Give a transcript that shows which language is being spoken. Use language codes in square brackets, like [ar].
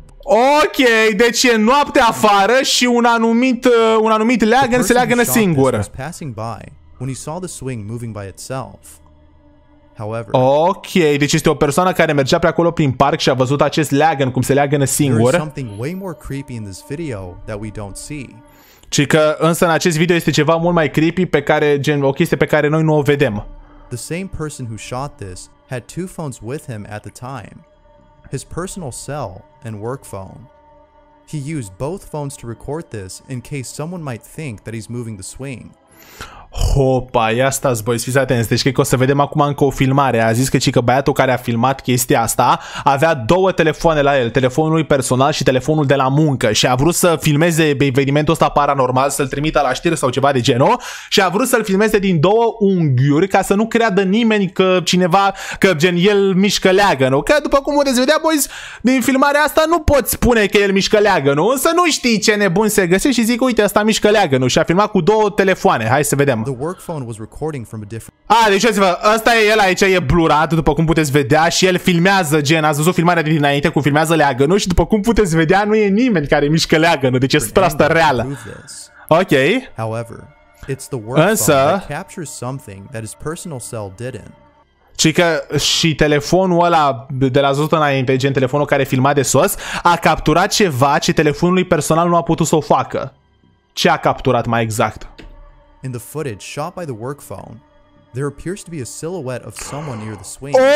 [ro] Ok, deci e noapte afară și un anumit leagăn se leagănă singur. [en] When he saw the swing moving by itself. [ro] However, ok, deci este o persoană care mergea pe acolo prin parc și a văzut acest leagăn cum se leagănă singur. [en] There's something way more creepy in this video that we don't see. [ro] Ci că însă în acest video este ceva mult mai creepy pe care gen o chestie pe care noi nu o vedem. [en] The same person who shot this had two phones with him at the time. His personal cell and work phone. He used both phones to record this in case someone might think that he's moving the swing. [ro] Hopa, ia stați, boys, fiți atenți. Deci cred că o să vedem acum încă o filmare. A zis că cică băiatul care a filmat chestia asta avea două telefoane la el, telefonul lui personal și telefonul de la muncă, și a vrut să filmeze evenimentul ăsta paranormal, să-l trimită la știri sau ceva de genul, și a vrut să-l filmeze din două unghiuri ca să nu creadă nimeni că cineva, că gen el mișcă leagănul. Că după cum puteți vedea, boys, din filmarea asta nu poți spune că el mișcă leagănul, însă nu știi ce nebun se găsește și zic, uite, ăsta mișcă leagănul, și a filmat cu două telefoane. Hai să vedem. [en] The work phone was recording from a different... [ro] Ah, deci uite-vă, ăsta e el aici, e blurat, după cum puteți vedea, și el filmează, gen, ați văzut filmarea de dinainte cum filmează leagănul, și după cum puteți vedea, nu e nimeni care mișcă leagănul, deci e super asta reală. [en] Ok. However, it's the work [ro] însă... [en] phone that captures something that his personal cell didn't. [ro] Ci că și telefonul ăla de la zonă înainte, gen telefonul care filma de sos, a capturat ceva ce telefonului personal nu a putut să o facă. Ce a capturat mai exact? [en] In the footage shot by the work phone, there appears to be a silhouette of someone near the swing.